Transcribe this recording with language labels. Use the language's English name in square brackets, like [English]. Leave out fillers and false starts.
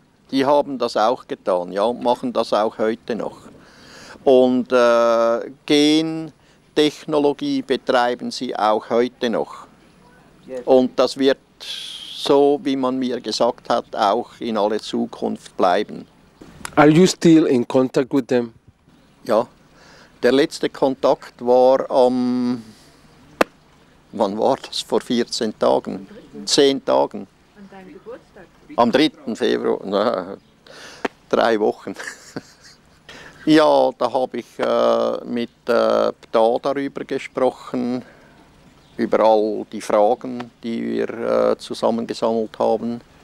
[German] Die haben das auch getan, ja, machen das auch heute noch. Und Gentechnologie betreiben sie auch heute noch. Und das wird so, wie man mir gesagt hat, auch in alle Zukunft bleiben. [English] Are you still in contact with them? [German] Ja, der letzte Kontakt war am, wann war das, vor 14 Tagen, 10 Tagen. Am 3. Februar, na, 3 Wochen. Ja, da habe ich mit Pda darüber gesprochen, über all die Fragen, die wir zusammengesammelt haben.